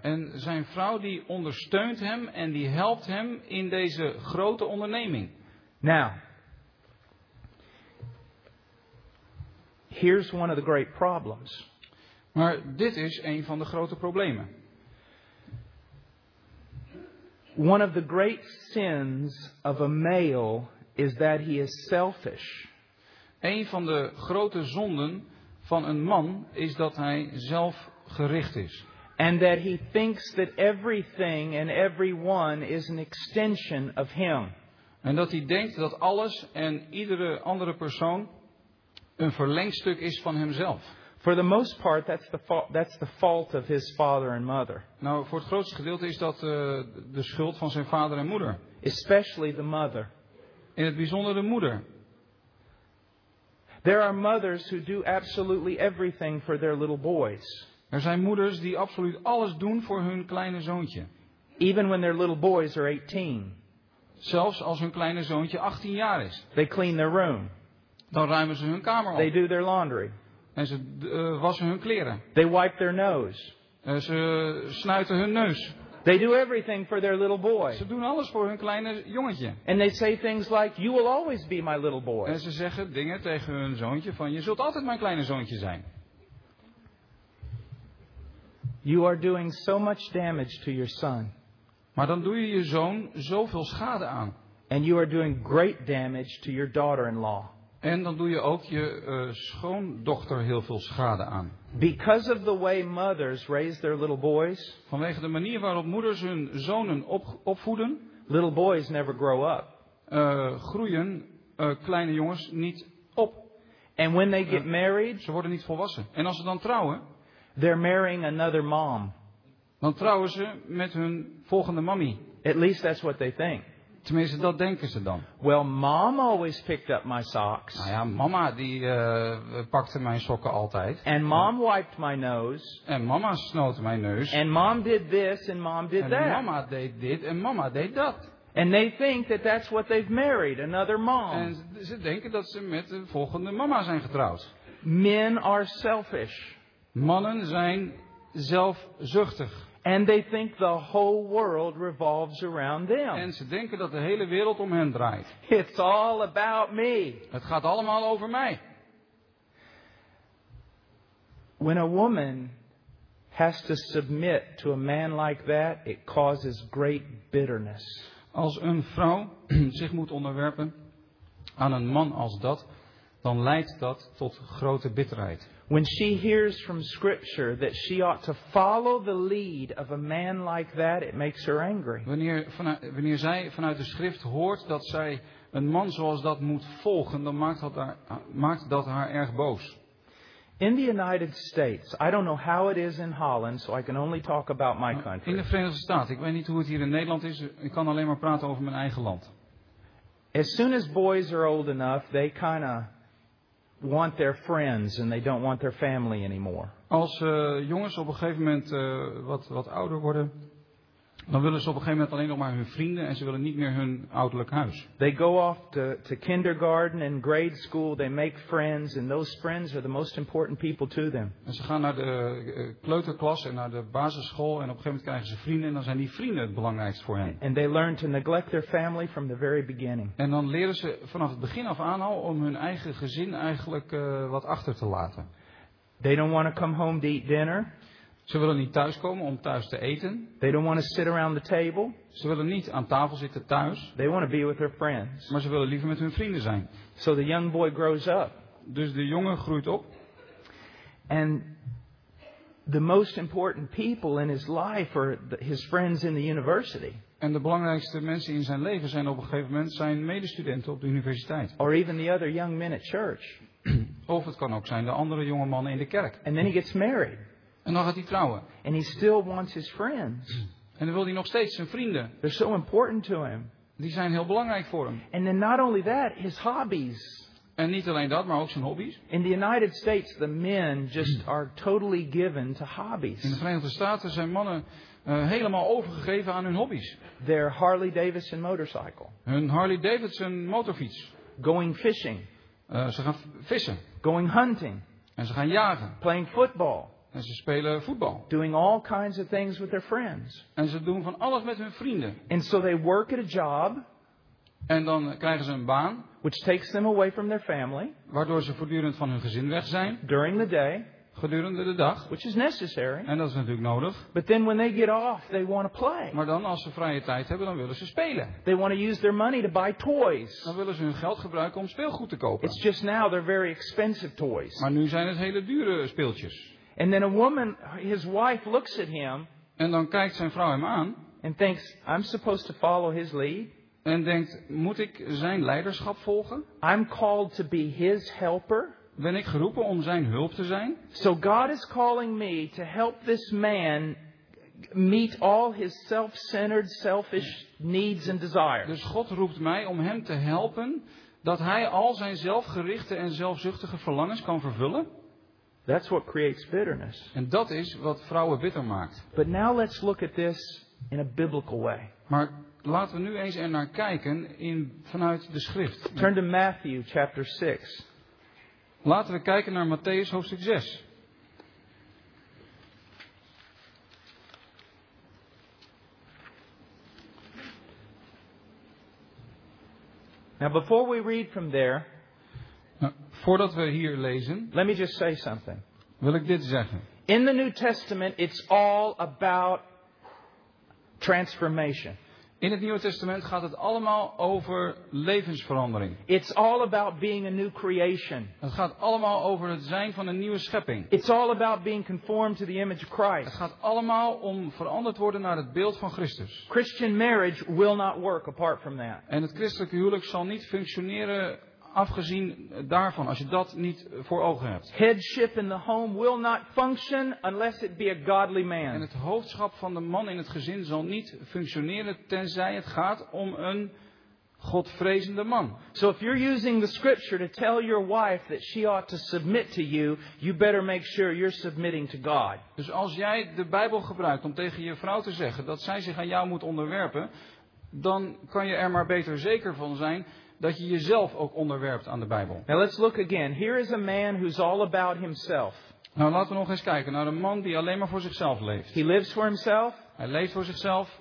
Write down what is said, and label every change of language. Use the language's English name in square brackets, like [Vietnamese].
[Dutch] En zijn vrouw die ondersteunt hem en die helpt hem in deze grote onderneming. [English] Now, here's one of the great problems. [Dutch] Maar dit is een van de grote problemen. [English] One of the great sins of a male is that he is selfish. [Dutch] Een van de grote zonden van een man is dat hij zelfgericht is. [English] And that he thinks that everything and everyone is an extension of him. [Dutch] En dat hij denkt dat alles en iedere andere persoon een verlengstuk is van hemzelf. [English] For the most part, that's the fault of his father and mother. [Dutch] Nou, voor het grootste gedeelte is dat de schuld van zijn vader en moeder. [English] Especially the mother. [Dutch] In het bijzonder de moeder. [English] There are mothers who do absolutely everything for their little boys. [Dutch] Er zijn moeders die absoluut alles doen voor hun kleine zoontje. [English] Even when their little boys are 18. [Dutch] Zelfs als hun kleine zoontje 18 jaar is. [English] They clean their room. [Dutch] Dan ruimen ze hun kamer op. [English] They do their laundry. [Dutch] En ze wassen hun kleren. [English] They wipe their nose. [Dutch] En ze snuiten hun neus. [English] They do everything for their little boy. [Dutch] Ze doen alles voor hun kleine jongetje. [English] And they say things like, "You will always be my little boy." [Dutch] En ze zeggen dingen tegen hun zoontje van, "Je zult altijd mijn kleine zoontje zijn." [English] You are doing so much damage to your son. [Dutch] Maar dan doe je je zoon zoveel schade aan. [English] And you are doing great damage to your daughter-in-law. [Dutch] En dan doe je ook je schoondochter heel veel schade aan. [English] Because of the way mothers raise their little boys. [Dutch] Vanwege de manier waarop moeders hun zonen opvoeden. [English] Little boys never grow up. [Dutch] Groeien kleine jongens niet op. [English] And when they get married. [Dutch] Ze worden niet volwassen. En als ze dan trouwen. [English] They're marrying another mom. [Dutch] Dan trouwen ze met hun volgende mammy. [English] At least that's what they think. [Dutch] Tenminste, dat denken ze dan. [English] Well, mom always picked up my socks. [Dutch] Nou ja, mama die pakte mijn sokken altijd. [English] And mom wiped my nose. [Dutch] En mama snoot mijn neus. [English] And mom did this and mom did that. [Dutch] En mama deed dit en mama deed dat. [English] And they think that that's what they've married, another mom. [Dutch] En ze denken dat ze met de volgende mama zijn getrouwd. [English] Men are selfish. [Dutch] Mannen zijn zelfzuchtig. [English] And they think the whole world revolves around them. [Dutch] En ze denken dat de hele wereld om hen draait. [English] It's all about me. [Dutch] Het gaat allemaal over mij. [English] When a woman has to submit to a man like that, it causes great bitterness. [Dutch] Als een vrouw zich moet onderwerpen aan een man als dat, dan leidt dat tot grote bitterheid. [English] When she hears from scripture that she ought to follow the lead of a man like that, it makes her angry. [Dutch] Wanneer zij vanuit de schrift hoort dat zij een man zoals dat moet volgen, dan maakt dat haar erg boos. [English] In the United States, I don't know how it is in Holland, so I can only talk about my country. [Dutch] In de Verenigde Staten, ik weet niet hoe het hier in Nederland is, ik kan alleen maar praten over mijn eigen land. [English] As soon as boys are old enough, they kind of want their friends and they don't want their family anymore. [Dutch] Als jongens op een gegeven moment wat ouder worden, dan willen ze op een gegeven moment alleen nog maar hun vrienden en ze willen niet meer hun ouderlijk huis. [English] They go off to kindergarten and grade school, they make friends and those friends are the most important people to them. [Dutch] En ze gaan naar de kleuterklas en naar de basisschool en op een gegeven moment krijgen ze vrienden en dan zijn die vrienden het belangrijkste voor hen. [English] And they learn to neglect their family from the very beginning. [Dutch] En dan leren ze vanaf het begin af aan al om hun eigen gezin eigenlijk wat achter te laten. [English] They don't want to come home to eat dinner. [Dutch] Ze willen niet thuiskomen om thuis te eten. [English] They don't want to sit around the table. [Dutch] Ze willen niet aan tafel zitten thuis. [English] They want to be with their friends. [Dutch] Maar ze willen liever met hun vrienden zijn. [English] So the young boy grows up. [Dutch] Dus de jongen groeit op. [English] And the most important people in his life are his friends in the university. [Dutch] En de belangrijkste mensen in zijn leven zijn op een gegeven moment zijn medestudenten op de universiteit. [English] Or even the other young men at church. [Dutch] Of het kan ook zijn de andere jonge mannen in de kerk. [English] And then he gets married. [Dutch] En dan gaat hij trouwen. [English] And he still wants his friends. [Dutch] En dan wil hij nog steeds zijn vrienden. [English] They're so important to him. [Dutch] Die zijn heel belangrijk voor hem. [English] And then not only that, his hobbies. [Dutch] En niet alleen dat, maar ook zijn hobby's. [English] In the United States, the men just are totally given to hobbies. [Dutch] In de Verenigde Staten zijn mannen helemaal overgegeven aan hun hobby's. [English] Their Harley Davidson motorcycle. [Dutch] Hun Harley Davidson motorfiets. [English] Going fishing. [Dutch] Ze gaan vissen. [English] Going hunting. [Dutch] En ze gaan jagen. [English] Playing football. [Dutch] En ze spelen voetbal. [English] Doing all kinds of things with their friends. [Dutch] En ze doen van alles met hun vrienden. [English] And so they work at a job. [Dutch] En dan krijgen ze een baan. [English] Which takes them away from their family. [Dutch] Waardoor ze voortdurend van hun gezin weg zijn. [English] During the day. [Dutch] Gedurende de dag. [English] Which is necessary. [Dutch] En dat is natuurlijk nodig. [English] But then when they get off, they want to play. [Dutch] Maar dan als ze vrije tijd hebben, dan willen ze spelen. [English] They want to use their money to buy toys. [Dutch] Dan willen ze hun geld gebruiken om speelgoed te kopen. [English] It's just now they're very expensive toys. [Dutch] Maar nu zijn het hele dure speeltjes. [English] And then a woman, his wife looks at him. [Dutch] En dan kijkt zijn vrouw hem aan. [English] And thinks, I'm supposed to follow his lead. [Dutch] En denkt, moet ik zijn leiderschap volgen? [English] I'm called to be his helper. [Dutch] Ben ik geroepen om zijn hulp te zijn? [English] So God is calling me to help this man meet all his self-centered, selfish needs and desires. [Dutch] Dus God roept mij om hem te helpen dat hij al zijn zelfgerichte en zelfzuchtige verlangens kan vervullen. [English] That's what creates bitterness. [Dutch] En dat is wat vrouwen bitter maakt. [English] But now let's look at this in a biblical way. [Dutch] Maar laten we nu eens er naar kijken in vanuit de schrift. [English] Turn to Matthew chapter 6. [Dutch] Laten we kijken naar Matteüs hoofdstuk 6. [English] Now before we read from there, [Dutch] voordat we hier lezen, [English] let me just say something. [Dutch] Wil ik dit zeggen. [English] In the New Testament it's all about transformation. [Dutch] In het Nieuwe Testament gaat het allemaal over levensverandering. [English] It's all about being a new creation. [Dutch] Het gaat allemaal over het zijn van een nieuwe schepping. [English] It's all about being conformed to the image of Christ. [Dutch] Het gaat allemaal om veranderd worden naar het beeld van Christus. [English] Christian marriage will not work apart from that. [Dutch] En het christelijke huwelijk zal niet functioneren afgezien daarvan, als je dat niet voor ogen hebt. [English] Headship in the home will not function unless it be a godly man. [Dutch] En het hoofdschap van de man in het gezin zal niet functioneren tenzij het gaat om een godvrezende man. [English] So if you're using the scripture to tell your wife that she ought to submit to you, you better make sure you're submitting to God. [Dutch] Dus als jij de Bijbel gebruikt om tegen je vrouw te zeggen dat zij zich aan jou moet onderwerpen, dan kan je er maar beter zeker van zijn dat je jezelf ook onderwerpt aan de Bijbel. [English] Now let's look again. Here is a man who's all about himself. [Dutch] Nou, laten we nog eens kijken naar een man die alleen maar voor zichzelf leeft. [English] He lives for himself. [Dutch] Hij leeft voor zichzelf.